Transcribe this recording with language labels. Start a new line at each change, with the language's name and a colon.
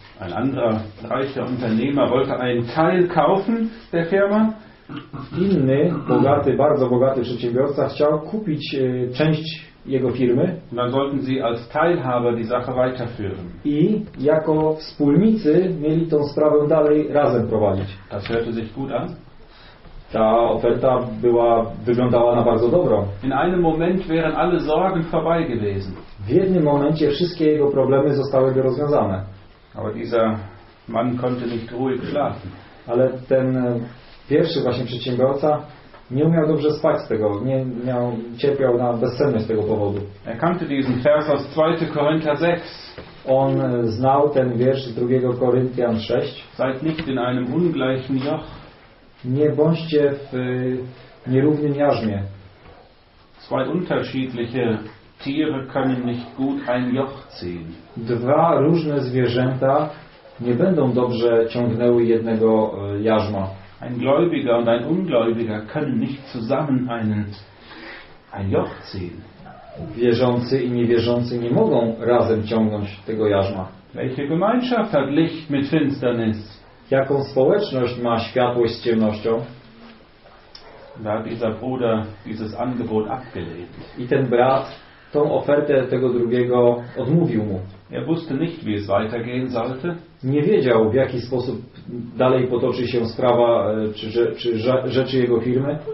German: Ein anderer reicher Unternehmer wollte einen Teil kaufen der Firma.
Polish: Inny, bogaty, bardzo bogaty przedsiębiorca chciał kupić część jego firmy.
German: Dann sollten sie als Teilhaber die Sache weiterführen.
Polish: I jako wspólnicy mieli tą sprawę dalej razem prowadzić.
German: Das hörte sich gut an.
Polish: Ta oferta wyglądała na bardzo dobrą.
German: In einem Moment wären alle Sorgen vorbei gewesen.
Polish: W jednym momencie wszystkie jego problemy zostały rozwiązane.
German: Aber dieser Mann konnte nicht ruhig schlafen.
Polish: Ale ten pierwszy właśnie przedsiębiorca nie umiał dobrze spać z tego, cierpiał na bezsenność z tego powodu.
German: Er kannte diesen Vers aus 2. Korinther 6.
Polish: On znał ten wiersz z 2. Korinthian 6.
German: Seid nicht in einem ungleichen Joch.
Polish: Nie bądźcie w nierównym jarzmie.
German: Zwei unterschiedliche Tiere können nicht gut ein Joch ziehen.
Polish: Dwa różne zwierzęta nie będą dobrze ciągnęły jednego jarzma.
German: Ein Gläubiger und ein Ungläubiger können nicht zusammen ein Joch ziehen.
Polish: wierzący i niewierzący nie mogą razem ciągnąć tego jarzma.
German: Welche Gemeinschaft hat Licht mit Finsternis?
Polish: Jaką społeczność ma światłość z ciemnością?
German: Da hat dieser Bruder dieses Angebot abgelehnt.
Polish: I ten brat tą ofertę tego drugiego odmówił mu.
German: Er wusste nicht, wie es weitergehen sollte.
Polish: Nie wiedział, w jaki sposób dalej potoczy się sprawa czy rzeczy jego firmy,